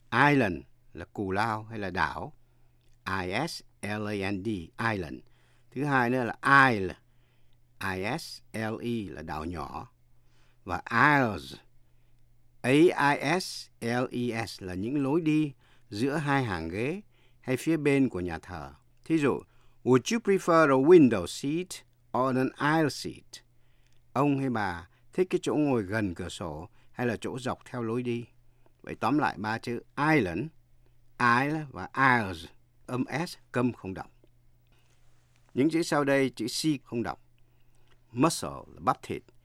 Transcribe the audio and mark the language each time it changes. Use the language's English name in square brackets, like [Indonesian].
[Vietnamese] Island là cù lao hay là đảo. I-S-L-A-N-D, island. Thứ hai nữa là isle. I-S-L-E là đảo nhỏ. Và aisles, A-I-S-L-E-S là những lối đi giữa hai hàng ghế hay phía bên của nhà thờ. Thí dụ, [English] would you prefer a window seat or an aisle seat? [Vietnamese] Ông hay bà thích cái chỗ ngồi gần cửa sổ hay là chỗ dọc theo lối đi? Vậy tóm lại ba chữ island, aisle và aisles, âm S câm không đọc. Những chữ sau đây chữ C không đọc. Muscle là bắp thịt.